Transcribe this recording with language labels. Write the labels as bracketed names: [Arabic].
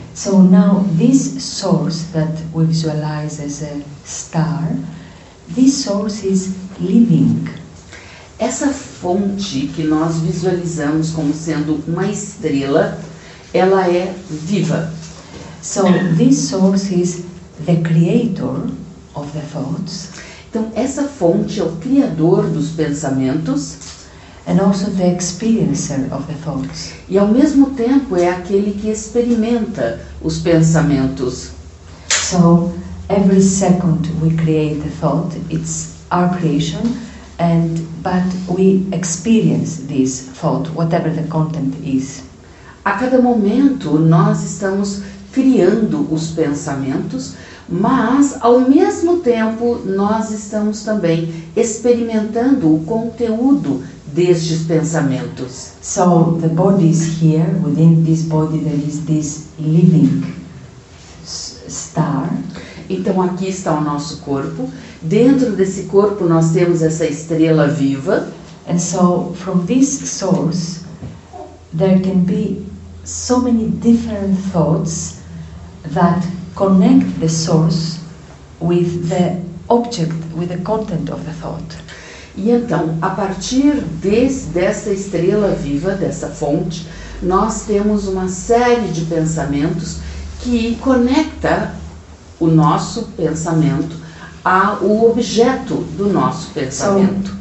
[English] So now, this source that we visualize as a star, this source is living. [Portuguese] Essa fonte que nós visualizamos como sendo uma estrela, ela é viva. [English] So this source is the creator of the thoughts. [Portuguese] Então, essa fonte é o criador dos pensamentos. [English] And also the experiencer of the thoughts. [Portuguese] E ao mesmo tempo é aquele que experimenta os pensamentos. [English] So, every second we create the thought, it's our creation, but we experience this thought, whatever the content is. [Portuguese] A cada momento nós estamos criando os pensamentos, mas ao mesmo tempo nós estamos também experimentando o conteúdo destes pensamentos. [English] So the body is here, within this body there is this living star. [Portuguese] Então aqui está o nosso corpo. Dentro desse corpo nós temos essa estrela viva. [English] And so from this source there can be so many different thoughts that connect the source with the object, with the content of the thought. [Portuguese] E então, a partir dessa estrela viva, dessa fonte, nós temos uma série de pensamentos que conecta o nosso pensamento ao objeto do nosso pensamento.